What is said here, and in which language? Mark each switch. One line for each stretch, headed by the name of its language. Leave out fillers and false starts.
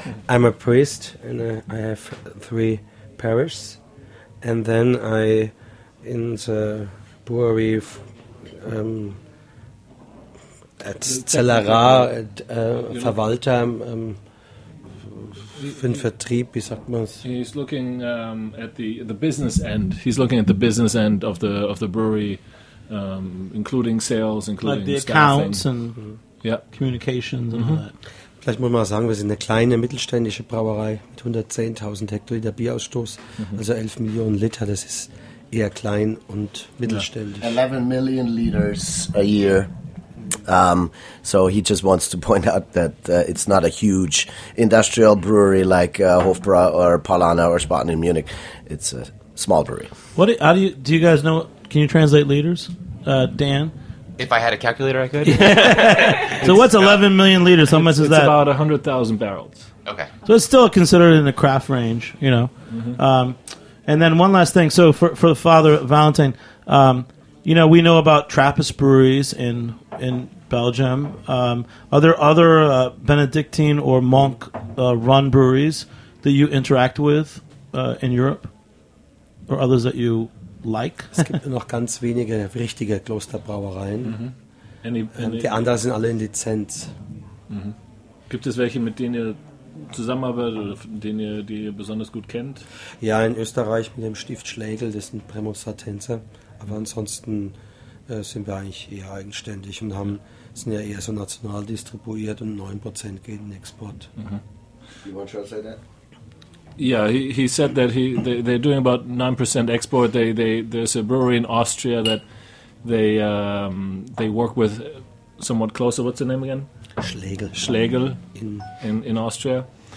English: I'm a priest, and I have three parishes, and then I, in the brewery at Zellerar, Verwalter,
German: in Vertrieb, wie sagt man's?
English: He's looking at the business end. He's looking at the business end of the brewery, including sales, including like the staffing. Accounts and communications and all that.
German: Vielleicht muss man sagen, wir sind eine kleine mittelständische Brauerei mit 110.000 Hektoliter Bierausstoß, also 11 Millionen Liter. Das ist eher klein und mittelständisch.
English: 11 million liters a year. So he just wants to point out that it's not a huge industrial brewery like Hofbräu or Paulaner or Spaten in Munich. It's a small brewery. How do you guys know? Can you translate liters, Dan? If I had a calculator, I could. So what's 11 million liters? How much is that? It's about 100,000 barrels. Okay. So it's still considered in the craft range, you know. Mm-hmm. And then one last thing. So for the Father Valentine, you know, we know about Trappist breweries in Belgium. Are there other Benedictine or monk-run breweries that you interact with in Europe or others that you... like?
German: Es gibt noch ganz wenige richtige Klosterbrauereien. Mm-hmm. Die anderen sind alle in Lizenz. Mm-hmm. Gibt es welche, mit denen ihr zusammenarbeitet oder die ihr besonders gut kennt? Ja, in Österreich mit dem Stift Schlegel, das ist ein Prämonstratenser. Aber ansonsten sind wir eigentlich eher eigenständig und sind ja eher so national distribuiert und 9% gehen in Export. Mm-hmm.
English: You want to translate that? Yeah, he said that they're doing about 9% export. There's a brewery in Austria that they work with somewhat closer. What's the name again? Schlegel in Austria.